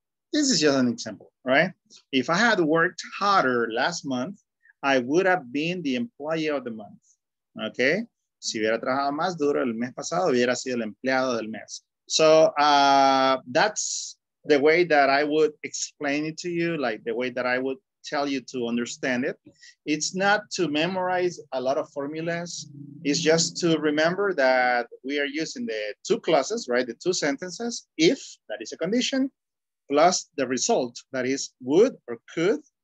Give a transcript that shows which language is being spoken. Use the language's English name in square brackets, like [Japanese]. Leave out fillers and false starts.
[English] This is just an example, right? If I had worked harder last month, I would have been the employee of the month, okay? [Spanish] Si hubiera trabajado más duro el mes pasado, hubiera sido el empleado del mes. [English] So that's the way that I would explain it to you, like the way that I would tell you to understand it. It's not to memorize a lot of formulas. It's just to remember that we are using the two clauses, right? The two sentences, if that is a condition, plus the result, that is would or could.